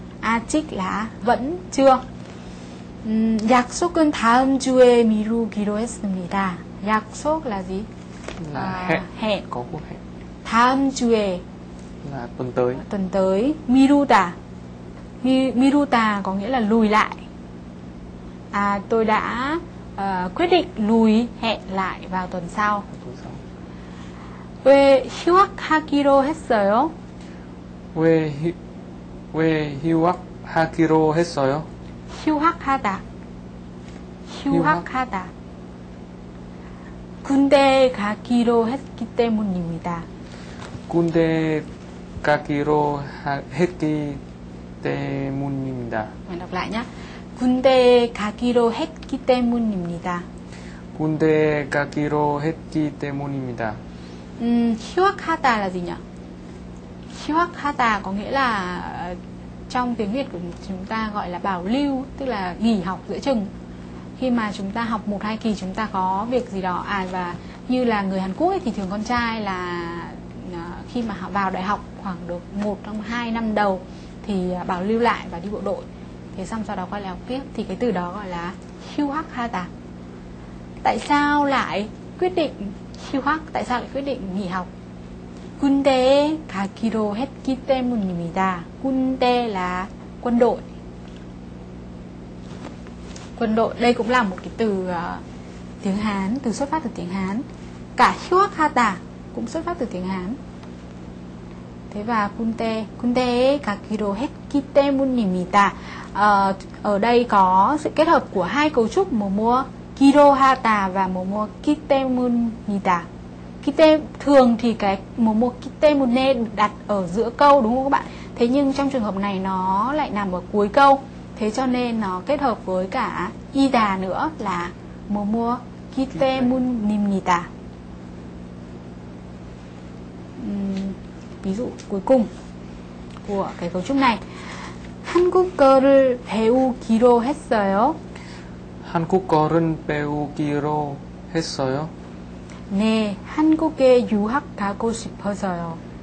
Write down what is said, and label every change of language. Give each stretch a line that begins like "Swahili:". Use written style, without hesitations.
Vietnamese: 아직 là vẫn chưa.
Korean: 약속은 다음 주에 미루기로 했습니다.
Vietnamese: 약속 là gì? Là hẹn. Có cuộc hẹn.
Korean: 다음 주에
Vietnamese: là tuần tới. Tuần tới. 미루다. 미루다 có nghĩa là lùi lại. Tôi đã quyết định lùi hẹn lại vào tuần sau.
Korean: 왜 휴학하기로 했어요? 왜 휴학하기로 했어요? 휴학하다. 휴학하다. 군대 가기로 했기 때문입니다. 군대 가기로 했기 때문입니다. 군대 가기로 했기 때문입니다. 군대 가기로 했기 때문입니다.
Vietnamese: 휴학하다 là gì nhỉ? 휴학하다 có nghĩa là trong tiếng Việt của chúng ta gọi là bảo lưu, tức là nghỉ học giữa chừng. Khi mà chúng ta học một hai kỳ chúng ta có việc gì đó, và như là người Hàn Quốc ấy, thì thường con trai là khi mà họ vào đại học khoảng được 1-2 năm đầu thì bảo lưu lại và đi bộ đội, thế xong sau đó quay lại học tiếp, thì cái từ đó gọi là hiuhakata. Tại sao lại quyết định hiuhak, tại sao lại quyết định nghỉ học?
Korean: 군대 가기로 했기 때문입니다.
Vietnamese: 군대 là quân đội. Quân đội, đây cũng là một cái từ tiếng Hán, từ xuất phát từ tiếng Hán. Cả 휴학하다 cũng xuất phát từ tiếng Hán. Thế và
Korean: 군대 가기로 했기 때문입니다.
Vietnamese: Ở đây có sự kết hợp của hai cấu trúc mùa mùa 기로하다 và mùa mùa 기 때문입니다. Thường thì cái mùa mùa 기 때문에 đặt ở giữa câu đúng không các bạn? Thế nhưng trong trường hợp này nó lại nằm ở cuối câu, thế cho nên nó kết hợp với cả 이다 nữa là mùa mùa 기 때문입니다. Ví dụ cuối cùng của cái cấu trúc này.
Korean: 한국어를 배우기로 했어요. 한국어를 배우기로 했어요. 네, 한국에 유학 가고 싶어서요.